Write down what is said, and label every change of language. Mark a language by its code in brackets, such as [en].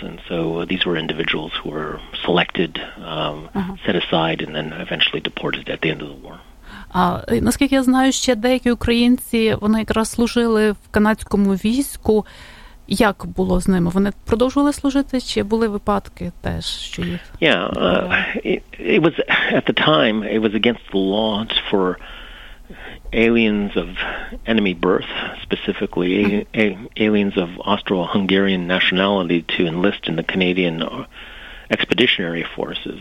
[en] And so these were individuals who were selected, set aside, and then eventually deported at the end of the war. [uk] Наскільки я знаю, ще деякі українці, вони якраз служили в канадському війську. Як було з ними? Вони продовжували служити, чи були випадки теж, що їх? [en] Yeah, it was at the time it was against the law for aliens of enemy birth, specifically aliens of Austro-Hungarian nationality, to enlist in the Canadian Expeditionary Forces.